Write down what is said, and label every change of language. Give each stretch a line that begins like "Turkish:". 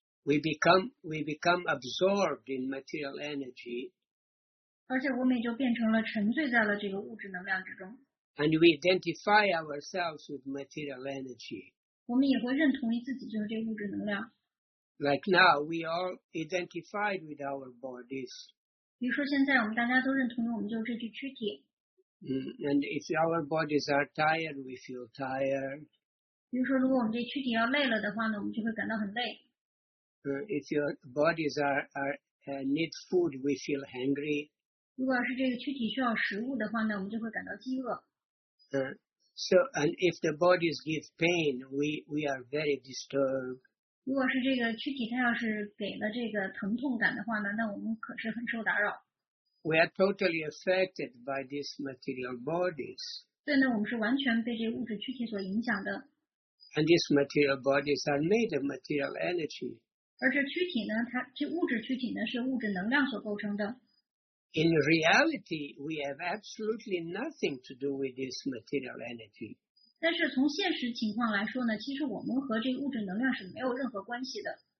English: We become absorbed in material energy.
Chinese: 而且我们也就变成了沉醉在了这个物质能量之中。
English: And we identify ourselves with material energy.
Chinese: 我们也会认同于自己就是这个物质能量。
English: Like now, we all identified with our bodies.
Chinese: 比如说现在我们大家都认同于我们就是这具躯体。
English: And if our bodies are tired, we feel tired.
Chinese: 比如说如果我们这躯体要累了的话呢，我们就会感到很累。
English: If your bodies need food, we feel hungry.
Chinese: 如果是这个躯体需要食物的话呢，我们就会感到饥饿。
English: So and if the bodies give pain, we are very disturbed.
Chinese: 如果是这个躯体它要是给了这个疼痛感的话呢，那我们可是很受打扰。
English: We are totally affected by these material bodies.
Chinese: 对呢，我们是完全被这物质躯体所影响的。
English: And these material bodies are made of material energy.
Chinese: 而这躯体呢，它这物质躯体呢，是物质能量所构成的。
English: In reality, we have absolutely nothing to do with this material energy.
Chinese: 但是从现实情况来说呢，其实我们和这物质能量是没有任何关系的。